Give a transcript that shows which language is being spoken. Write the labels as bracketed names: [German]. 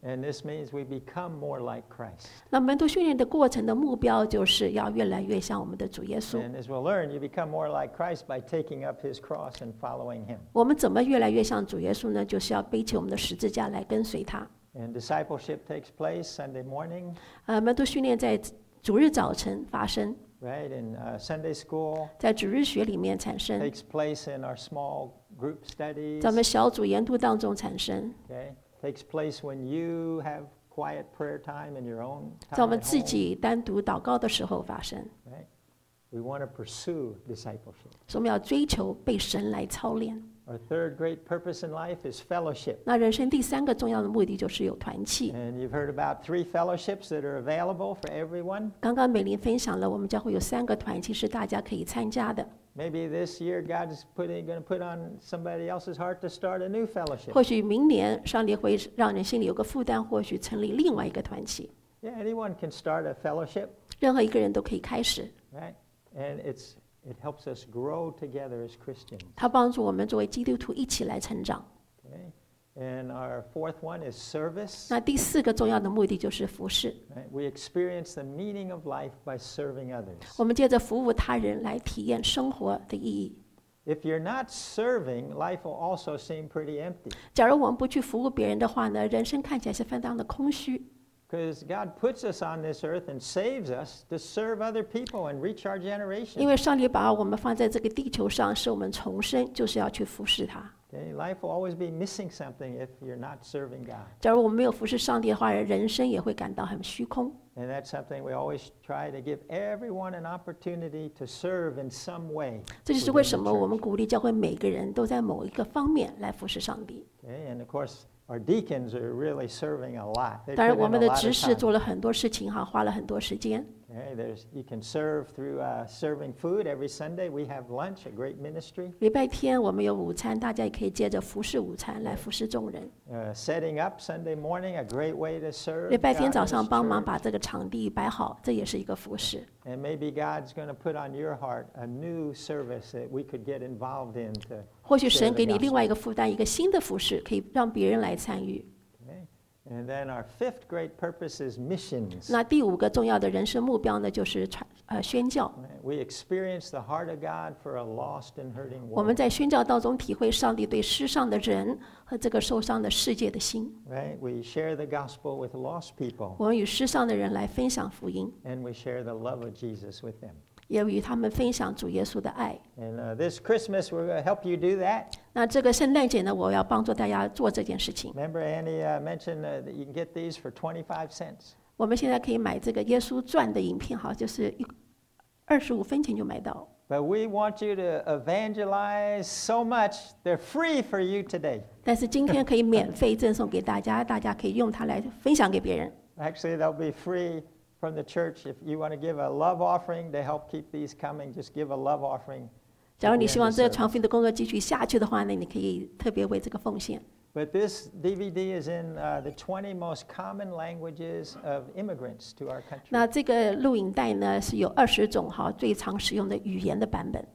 [English] And this means we become more like Christ. [Chinese] 那门徒训练的过程的目标就是要越来越像我们的主耶稣。 [English] And as we'll learn, you become more like Christ by taking up His cross and following Him. [Chinese] 我们怎么越来越像主耶稣呢？就是要背起我们的十字架来跟随他。 [English] And discipleship takes place Sunday morning. [Chinese] 门徒训练在主日早晨发生。 [English] Right in Sunday school, [Chinese] 在主日学里面产生 [English] takes place in our small group studies. [Chinese] 在我们小组研读当中产生 [English] okay, takes place when you have quiet prayer time in your own time. [Chinese] 在我们自己单独祷告的时候发生 [English] right, we want to pursue discipleship. [Chinese] 所以我们要追求被神来操练 [English] Our third great purpose in life is fellowship. [Chinese] 那人生第三个重要的目的就是有团契。 [English] And you've heard about three fellowships that are available for everyone. [Chinese] 刚刚美玲分享了，我们教会有三个团契是大家可以参加的。 [English] Maybe this year God is going to put on somebody else's heart to start a new fellowship. [Chinese] 或许明年上帝会让人心里有个负担，或许成立另外一个团契。 [English] Yeah, anyone can start a fellowship. [Chinese] 任何一个人都可以开始。 [English] Right, and it's. It helps us grow together as Christians. [Chinese] 它帮助我们作为基督徒一起来成长。 [English] Okay. And our fourth one is service. [Chinese] 那第四个重要的目的就是服事。 [English] We experience the meaning of life by serving others. [Chinese] 我们借着服务他人来体验生活的意义。 [English] If you're not serving, life will also seem pretty empty. [Chinese] 假如我们不去服务别人的话呢，人生看起来是非常的空虚。 [English] Because God puts us on this earth and saves us to serve other people and reach our generation. [Chinese] 因为上帝把我们放在这个地球上，使我们重生，就是要去服侍他。 [English] Okay, life will always be missing something if you're not serving God. [Chinese] 假如我们没有服侍上帝的话，人生也会感到很虚空。 [English] And that's something we always try to give everyone an opportunity to serve in some way. [Chinese] 这就是为什么我们鼓励教会每个人都在某一个方面来服侍上帝。 [English] Okay, and of course. Our deacons are really serving a lot. [Chinese] 当然，我们的执事做了很多事情，哈，花了很多时间。 [English] Okay, Okay, there's, you can serve through serving food every Sunday. We have lunch, a great ministry. [Chinese] 礼拜天我们有午餐，大家也可以借着服侍午餐来服侍众人。 [English] Setting up Sunday morning, a great way to serve. [Chinese] 礼拜天早上帮忙把这个场地摆好，这也是一个服侍。 [English] And maybe God's going to put on your heart a new service that we could get involved in to. [Chinese] 或许神给你另外一个负担，一个新的服侍，可以让别人来参与。 [English] And then our fifth great purpose is missions. [Chinese] 那第五个重要的人生目标呢，就是宣教。 [English] We experience the heart of God for a lost and hurting world. [Chinese] 我们在宣教当中体会上帝对世上的人和这个受伤的世界的心。 [English] Right? We share the gospel with lost people. [Chinese] 我们与世上的人来分享福音。 [English] And we share the love of Jesus with them. [Chinese] 也与他们分享主耶稣的爱。 [English] And this Christmas, we're going to help you do that. [Chinese] 那这个圣诞节呢，我要帮助大家做这件事情。 [English] Remember, Annie mentioned that you can get these for 25 cents. [Chinese] 我们现在可以买这个耶稣传的影片，好，就是25分钱就买到。 [English] But we want you to evangelize so much, they're free for you today. [Chinese] 但是今天可以免费赠送给大家，大家可以用它来分享给别人。 [English] Actually, they'll be free. From the church, if you want to give a love offering to help keep these coming, just give a love offering. [Chinese] 假如你希望这个传福音的工作继续下去的话，那你可以特别为这个奉献。 [English] But this DVD is in the 20 most common languages of immigrants to our country. [Chinese] 那这个录影带呢是有二十种哈最常使用的语言的版本。